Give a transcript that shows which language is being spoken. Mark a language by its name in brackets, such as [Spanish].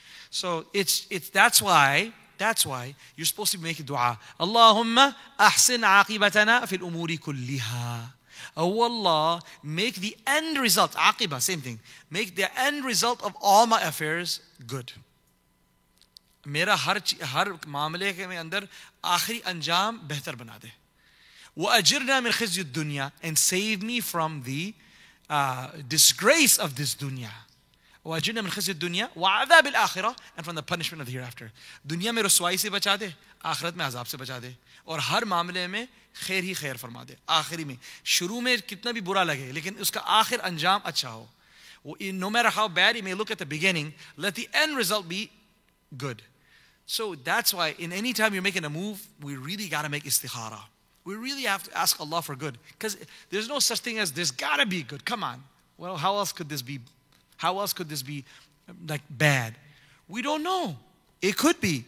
[English] So that's why you're supposed to be making dua. [Arabic] Allahumma ahsin aqibatana fil umuri kulliha. [English] Oh Allah, make the end result, aqibah, same thing. Make the end result of all my affairs good. [Urdu] میرا ہر معاملے کے میں اندر آخری انجام بہتر بنا دے. [Arabic] Wa ajirna min khizyi ad-dunya, [English] and save me from the disgrace of this dunya. [Arabic] Wa ajirna min khizyi ad-dunya wa adhab al-akhirah, [English] and from the punishment of the hereafter. [Urdu] دنیا میں رسوائی سے بچا دے, آخرت میں عذاب سے بچا دے, اور ہر معاملے میں خیر ہی خیر فرما دے. آخری میں, شروع میں کتنا بھی برا لگے, لیکن اس کا آخر انجام اچھا ہو. [English] No matter how bad it may look at the beginning, let the end result be good. So that's why in any time you're making a move, we really got to make istikhara. We really have to ask Allah for good. Because there's no such thing as there's got to be good. Come on. Well, how else could this be? How else could this be like bad? We don't know. It could be.